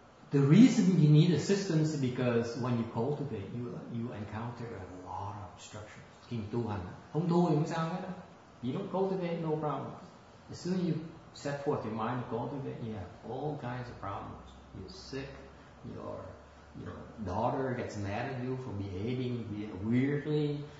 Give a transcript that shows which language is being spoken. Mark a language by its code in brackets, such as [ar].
[en] The reason you need assistance is because when you cultivate, you encounter a lot of obstructions. [vi] Khi tu hành, không tu thì không sao hết. [en] You don't cultivate, no problems. As soon as you set forth your mind to cultivate, you have all kinds of problems. You're sick, your daughter gets mad at you for behaving weirdly.